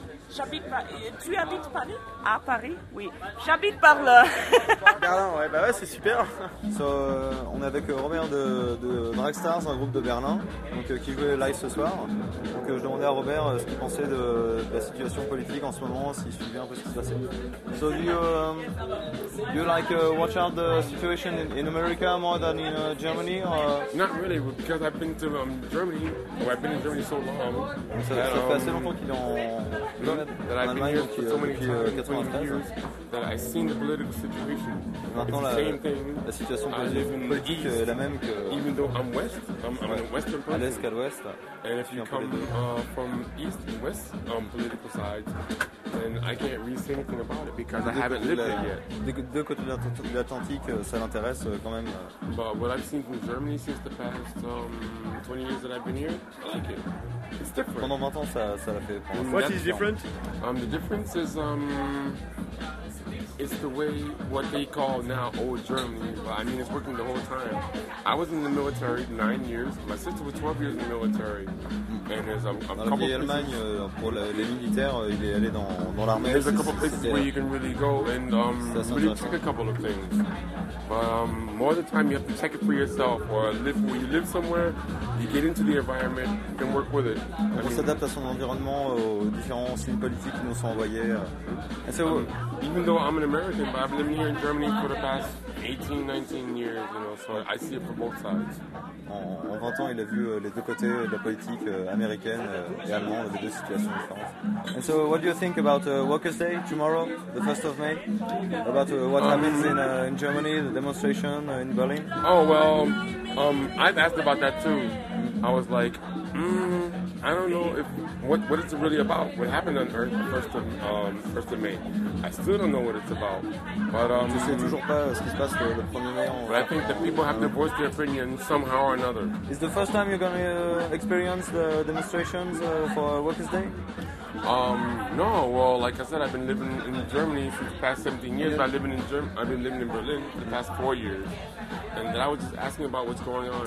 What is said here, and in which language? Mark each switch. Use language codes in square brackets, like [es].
[fr] J'habite Paris. Ah, Paris, oui. J'habite Berlin. Berlin, ouais, bah ouais, c'est super. So, on est avec Robert de Dragstars, un groupe de Berlin, donc, qui jouait live ce soir. Donc je demandais à Robert ce qu'il pensait de la situation politique en ce moment, s'il suivait un peu ce qui se passait. [en] So, do you like watch out the situation in America more than in Germany? Or? Not really, because I've been to Germany. Oh, I've been in Germany so long. [fr] Donc, ça fait assez longtemps qu'il est en. [en] That I've been here for so many years that I've seen the political situation. It's the same thing. [fr] La situation politique est la même que. [en] Even though I'm West, I'm a Western person. [fr] À l'est qu'à l'ouest. [en] And if you come from East and West on political sides, then I can't really say anything about it because I haven't lived it yet. [fr] Deux côtés de l'Atlantique, ça l'intéresse quand même. [en] But what I've seen from Germany since the past 20 years that I've been here, I like it. It's different. [fr] Pendant 20 ans, ça l'a fait. [en] What is different? The difference is it's the way what they call now old Germany. I mean, it's working the whole time. I was in the military 9 years. My sister was 12 years in the military. And there's a couple places. [fr] Allemagne pour les militaires, il est allé dans l'armée. [en] There's a couple places where you can really go and really check a couple of things. But more of the time, you have to check it for yourself. Or live where you live somewhere, you get into the environment, you can work with it. [fr] On s'adapte à son environnement, aux différents signes politiques qui nous sont envoyés. [en] So, even though I'm an American, but I've been living here in Germany for the past 18, 19 years, you know, so I see it from both sides. [fr] En 20 ans, il a vu les deux côtés de la politique américaine et allemande, les deux situations différentes. [en] And so, what do you think about Workers' Day tomorrow, the 1st of May? About what happens in Germany, the demonstration in Berlin? Oh, well, I've asked about that too. I was like, I don't know if what it's really about. What happened on Earth first of May? I still don't know what it's about. But [fr] tu sais toujours pas ce qui se passe le 1er mai. [en] But I think that people have to voice their opinion somehow or another. Is the first time you're gonna experience the demonstrations for Workers' Day? No. Well, like I said, I've been living in Germany for the past 17 years. Yeah. But I've been living in Berlin for the past 4 years. And then I was just asking about what's going on.